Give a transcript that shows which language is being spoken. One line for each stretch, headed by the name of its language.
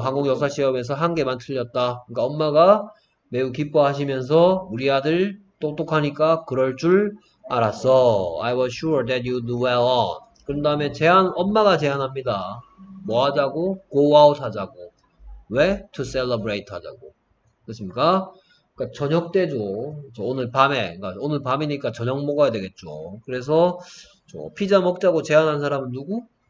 Korean: 한국 역사 시험에서 한 개만 틀렸다. 그러니까 엄마가 매우 기뻐하시면서 우리 아들 똑똑하니까 그럴 줄 알았어.
English: I was sure that you knew well on.
Korean: 그 다음에 제안, 엄마가 제안합니다. 뭐 하자고? Go out 하자고. 왜? To celebrate 하자고. 그렇습니까? 그러니까 저녁 때죠. 저 오늘 밤에. 그러니까 오늘 밤이니까 저녁 먹어야 되겠죠. 그래서 저 피자 먹자고 제안한 사람은 누구?